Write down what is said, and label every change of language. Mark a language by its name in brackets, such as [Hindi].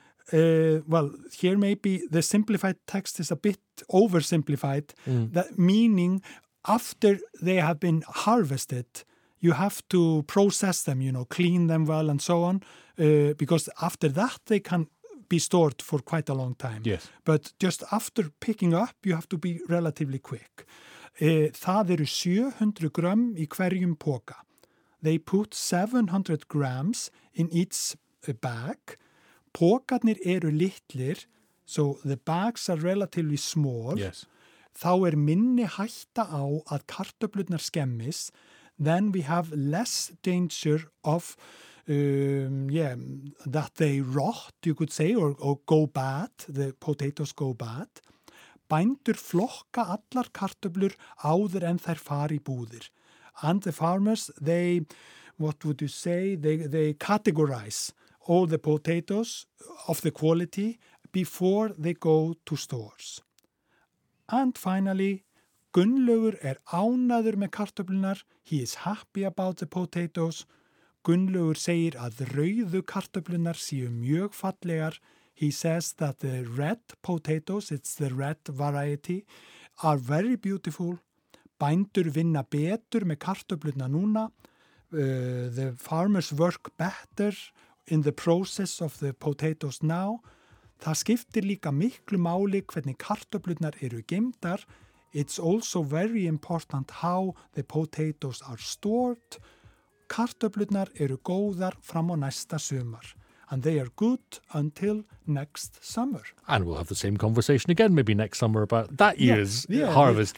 [English] Well, here maybe the simplified text is a bit oversimplified, that meaning after they have been harvested, you have to process them, you know, clean them well and so on, because after that they can be stored for quite a long time. Yes. But just after picking up, you have to be relatively quick. [Icelandic] Það eru 700 grömm í hverjum poka. [English] They put 700 grams in each bag. [Icelandic] Pokarnir eru litlir, [English] so the bags are relatively small. Yes. [Icelandic] Þá minni hætta á að kartöflurnar skemmis, [English] then we have less danger of that they rot, you could say, or go bad, the potatoes go bad. [Icelandic] Bændur flokka allar kartöflur áður en þær fara í búðir. [English] And the farmers, they categorize all the potatoes of the quality before they go to stores. And finally, Gunnlaugur [Icelandic] ánægður með kartöflurnar. [English] He is happy about the potatoes. [Icelandic] Gunnlaugur segir að rauðu kartöflurnar séu mjög fallegar. [English] He says that the red potatoes, it's the red variety, are very beautiful. [Icelandic] Bændur vinna betur með kartöflurnar núna. [English] The farmers work better in the process of the potatoes now. [Icelandic] Það skiptir líka miklu máli hvernig kartöflurnar eru geymdar. [English] It's also very important how the potatoes are stored. [Icelandic] Kartöflurnar eru góðar fram á næsta sumar. [English] And they are good until next summer. And we'll have the same conversation again maybe next summer about that year's harvest.